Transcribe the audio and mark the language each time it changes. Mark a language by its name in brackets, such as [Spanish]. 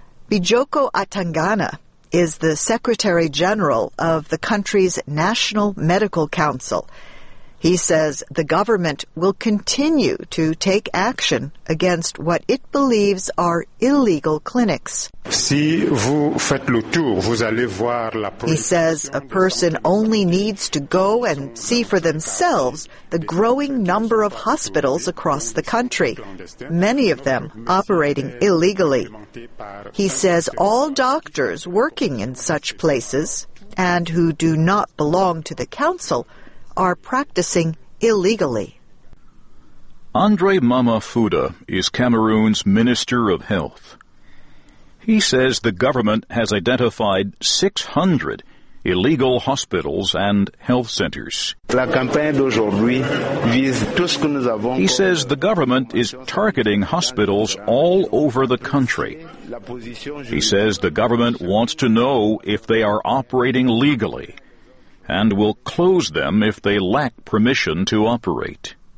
[English] Bijoko Atangana is the Secretary General of the country's National Medical Council. He says the government will continue to take action against what it believes are illegal clinics. [French] Si vous faites le tour, vous allez voir la police. [English] He says a person only needs to go and see for themselves the growing number of hospitals across the country, many of them operating illegally. He says all doctors working in such places and who do not belong to the council are practicing illegally. Andre Mamafuda is Cameroon's Minister of Health. He says the government has identified 600 illegal hospitals, and health centers. [French] La campagne d'aujourd'hui vise tout ce que nous avons. [English] He says the government is targeting hospitals all over the country. He says the government wants to know if they are operating legally and will close them if they lack permission to operate.